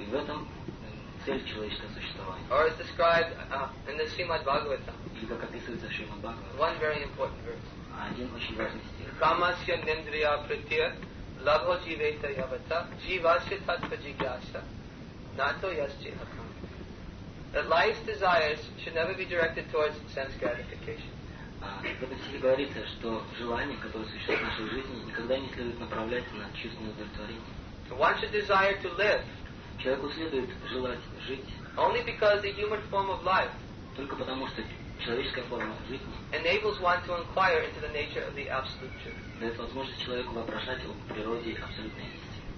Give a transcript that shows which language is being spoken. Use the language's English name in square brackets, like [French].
[Russian] И в этом цель человеческого существования. [English] Or is described in the Srimad Bhagavatam. [Russian] Или как описывается в Шримад Бхагаватам. [English] One very important verse. [Russian] Один очень важный стих. [Sanskrit] Камасья нендрия притья лабхо живета явата живасья татва джигьяса нато ясче акам. [English] That life's desires should never be directed towards sense gratification. [Russian] В этом стихе говорится, что желания, которые существуют в нашей жизни, никогда не следует направлять на чувственное удовлетворение. [English] One should desire to live. [Russian] Человеку следует желать жить. [English] Only because the human form of life, [Russian] только потому что человеческая форма жизни, [English] enables one to inquire into the nature of the absolute truth. [Russian] Дает возможность человеку вопрошать о природе абсолютной истины.